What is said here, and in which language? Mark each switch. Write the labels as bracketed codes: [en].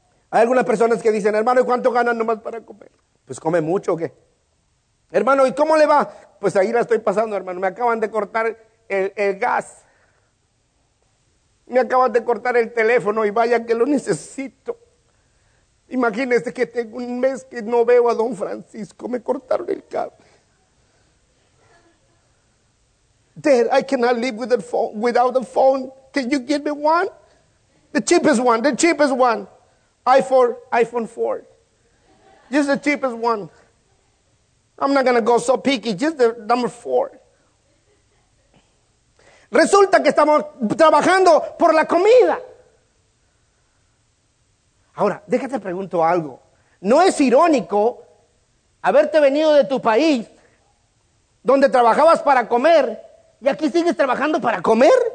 [es] Hay algunas personas que dicen, hermano, ¿y cuánto ganan nomás para comer? Pues come mucho, ¿o qué? Hermano, ¿y cómo le va? Pues ahí la estoy pasando, hermano. Me acaban de cortar el gas. Me acaban de cortar el teléfono y vaya que lo necesito. Imagínese que tengo un mes que no veo a don Francisco. Me cortaron el cable. [en] Dad, I cannot live with a phone, without a phone. Can you give me one? The cheapest one. iPhone 4. Just the cheapest one. I'm not going to go so picky. Just the number 4. [es] Resulta que estamos trabajando por la comida. Ahora, déjate pregunto algo. ¿No es irónico haberte venido de tu país donde trabajabas para comer y aquí sigues trabajando para comer?